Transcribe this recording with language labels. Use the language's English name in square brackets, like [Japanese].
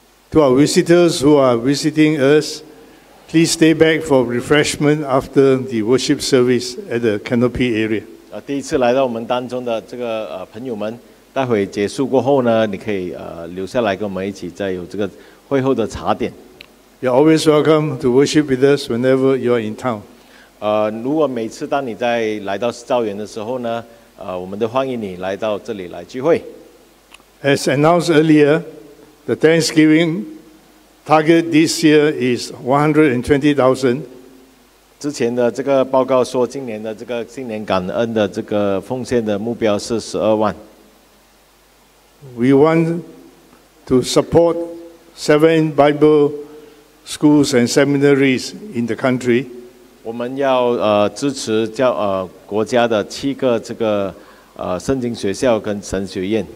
[English] To our visitors who are visiting us, please stay back for refreshment after the worship service at the canopy area. [Chinese] 第一次来到我们当中的这个朋友们，待会结束过后呢，你可以留下来跟我们一起再有这个会后的茶点。 [English] You're always welcome to worship with us whenever you're in town. [Chinese] 如果每次当你在来到兆园的时候呢，我们都欢迎你来到这里来聚会。 [English] As announced earlier, the Thanksgiving target this year is 120,000. [Chinese] 之前的这个报告说，今年的这个新年感恩的这个奉献的目标是120,000。 [English] We want to support 7 Bible schools and seminaries in the country. [Chinese] 我们要支持教国家的七个这个圣经学校跟神学院。